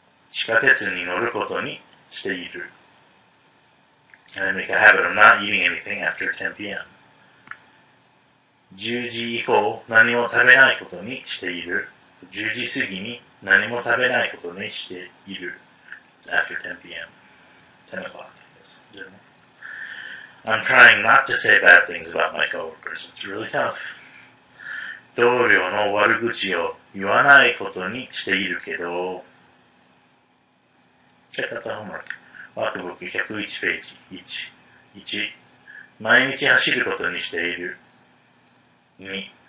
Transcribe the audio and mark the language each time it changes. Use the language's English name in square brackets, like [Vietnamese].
[Japanese] 地下鉄に乗ることにしている。 [English] And I make a habit of not eating anything after 10 p.m. [Japanese] 10時以降何も食べないことにしている。 10時過ぎに何も食べないことにしている。 [English] After 10 p.m. 10 o'clock, I guess, generally. I'm trying not to say bad things about my coworkers. It's really tough. [Japanese] 同僚の悪口を言わないことにしているけど [English] Check out the homework. Workbook 101 ページ1. 1. [Japanese] 毎日走ることにしている2.